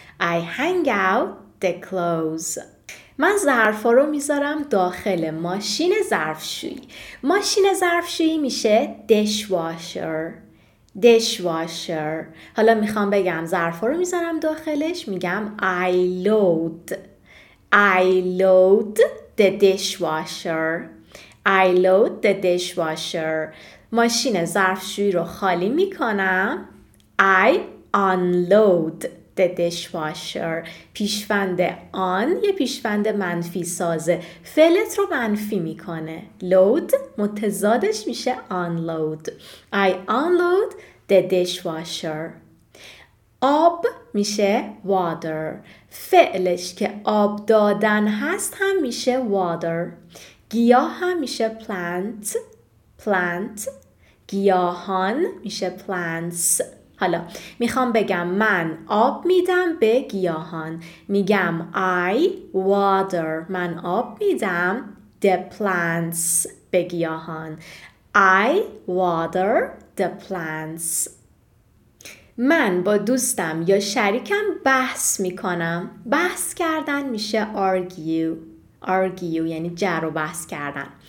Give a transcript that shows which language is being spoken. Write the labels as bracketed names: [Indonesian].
[English] I hang out the clothes. [Persian] من ظرفا رو میذارم داخل ماشین ظرفشویی. ماشین ظرفشویی میشه dishwasher. [English] Dishwasher. [Persian] حالا میخوام بگم ظرفا رو میذارم داخلش. میگم [English] I load. I load the dishwasher. I load the dishwasher. [Persian] ماشین ظرفشویی رو خالی میکنم. [English] I unload the dishwasher. [Persian] پیشوند on یه پیشوند منفی سازه. فعلت رو منفی میکنه. Load متضادش میشه unload. [English] I unload the dishwasher. [Persian] آب میشه water. فعلش که آب دادن هست هم میشه water. گیاه هم میشه plant. [English] Plant. [Persian] گیاهان میشه plants. حالا میخوام بگم من آب میدم به گیاهان. میگم [English] I water. [Persian] من آب میدم [English] the plants [Persian] به گیاهان. [English] I water the plants. [Persian] من با دوستم یا شریکم بحث میکنم. بحث کردن میشه argue. Argue یعنی جر و بحث کردن.